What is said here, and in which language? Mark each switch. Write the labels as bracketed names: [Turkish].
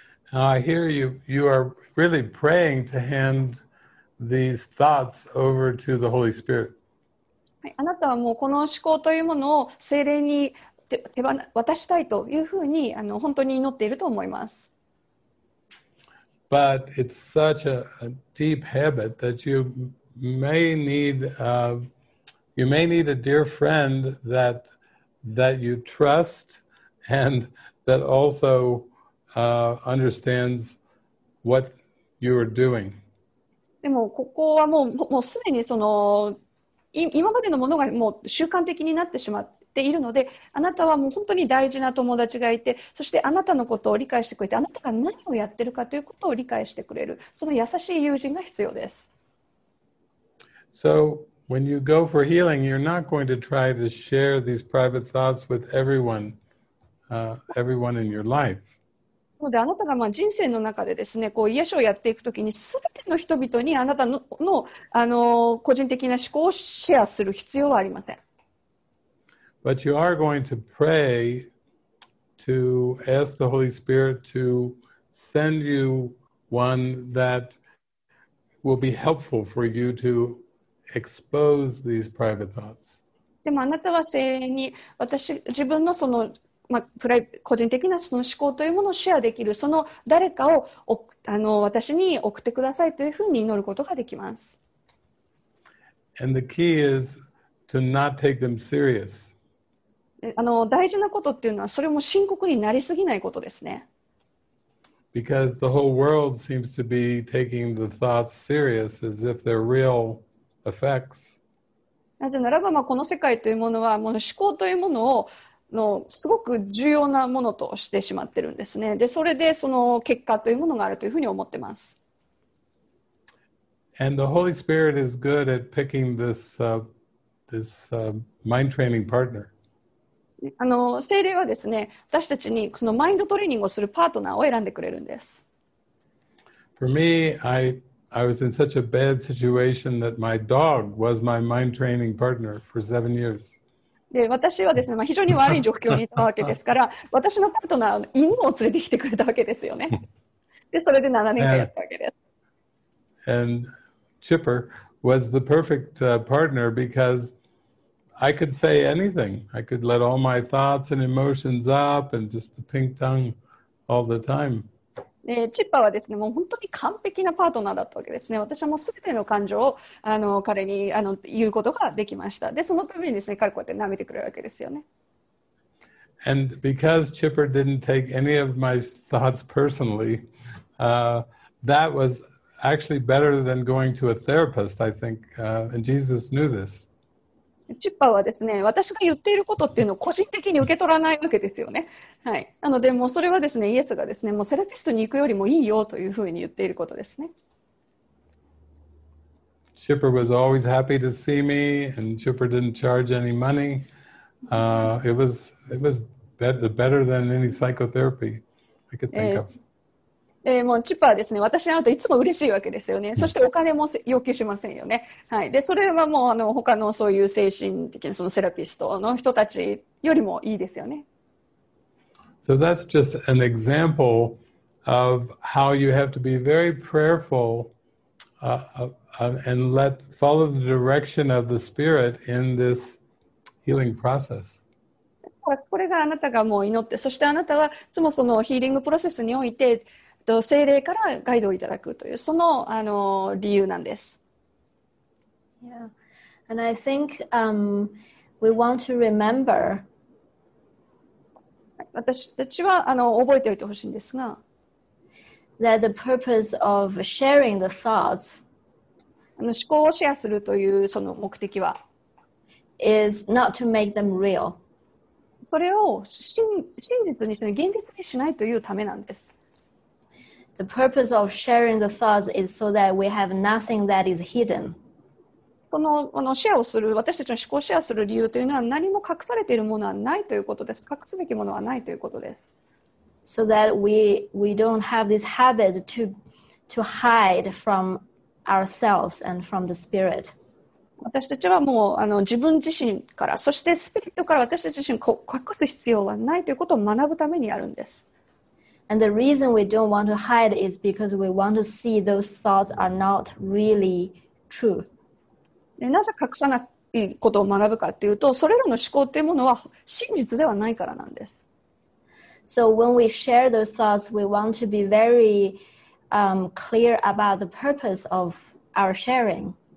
[English] Now I hear you are really praying to hand these thoughts over to the Holy Spirit. [Japanese] あなたはもうこの思考というものを聖霊に渡したいというふうに本当に祈っていると思います。 [English] But it's such a deep habit that you may need a dear friend that you trust and that also understands what you are doing. [Japanese] でもここはもうすでにその今までのものがもう習慣的になってしまっているので、あなたはもう本当に大事な友達がいて、そしてあなたのことを理解してくれて、あなたが何をやってるかということを理解してくれる、その優しい友人が必要です。 [English] So when you go for healing, you're not going to try to share these private thoughts with everyone, everyone in your life. [Japanese] なのであなたがまあ人生の中でですね、こう癒しをやっていくときに、すべての人々にあなた の, あの個人的な思考をシェアする必要はありません。 [English] But you are going to pray to ask the Holy Spirit to send you one that will be helpful for you to expose these private thoughts. [Japanese] でもあなたは聖霊に私自分のそのまあ、個人的なその思考というものをシェアできる、その誰かをあの私に送ってくださいというふうに祈ることができます。 [English] And the key is to not take them serious. [Japanese] あの大事なことっていうのは、それも深刻になりすぎないことですね。 [English] Because the whole world seems to be taking the thoughts serious as if they're real effects. [Japanese] なぜならば、まあ、この世界というものは、もう思考というものをのすごく重要なものとしてしまってるんですね。で、それでその結果というものがあるというふうに思ってます。 [English] And the Holy Spirit is good at picking this, mind training partner. [Japanese] あの、聖霊はですね、私たちにそのマインドトレーニングをするパートナーを選んでくれるんです。 [English] For me, I was in such a bad situation that my dog was my mind training partner for 7 years. [Japanese] で私はですね、まあ、非常に悪い状況にいたわけですから、私のパートナーは犬を連れてきてくれたわけですよね。で、それで7年間やったわけです。 [English] And Chipper was the perfect partner because I could say anything. I could let all my thoughts and emotions up and just the pink tongue all the time. [Japanese] で、チッパーはですね、もう本当に完璧なパートナーだったわけですね。私はもうすべての感情をあの彼にあの言うことができました。で、そのためにですね、彼はこうやって舐めてくれるわけですよね。 [English] And because Chipper didn't take any of my thoughts personally, that was actually better than going to a therapist, I think, and Jesus knew this. [Japanese] チッパーはですね、私が言っていることっていうのを個人的に受け取らないわけですよね。はい。なので、もうそれはですね、イエスがですね、もうセラピストに行くよりもいいよというふうに言っていることですね。 [English] Chipper was always happy to see me, and Chipper didn't charge any money. It was better than any psychotherapy I could think of. [Japanese] もうチッパーはですね、私に会うといつも嬉しいわけですよね。そしてお金も要求しませんよね。はい。で、それはもうあの他のそういう精神的なそのセラピストの人たちよりもいいですよね。 [English] So that's just an example of how you have to be very prayerful and let follow the direction of the Spirit in this healing process. [Japanese] これがあなたがもう祈って、そしてあなたはいつもそのヒーリングプロセスにおいて、聖霊からガイドをいただくという、その、理由なんです。 [English] Yeah. And I think we want to remember. [Japanese] 私たちはあの覚えておいてほしいんですが、 [English] that the purpose of sharing the thoughts, [Japanese] あの思考をシェアするというその目的は、 [English] is not to make them real. [Japanese] それを真実にして現実にしないというためなんです。 [English] The purpose of sharing the thoughts is so that we have nothing that is hidden. [Japanese] このシェアをする、私たちの思考をシェアする理由というのは何も隠されているものはないということです。隠すべきものはないということです。 [English] So that we don't have this habit to hide from ourselves and from the spirit. [Japanese] 私たちはもうあの自分自身から、そしてスピリットから私たち自身を隠す必要はないということを学ぶためにあるんです。 [English] And the reason we don't want to hide is because we want to see those thoughts are not really true. [Japanese] なぜ隠さないことを学ぶかというと、それらの思考というものは真実ではないからなんです。 [English] So when we share those thoughts, we want to be very clear about the purpose of our sharing.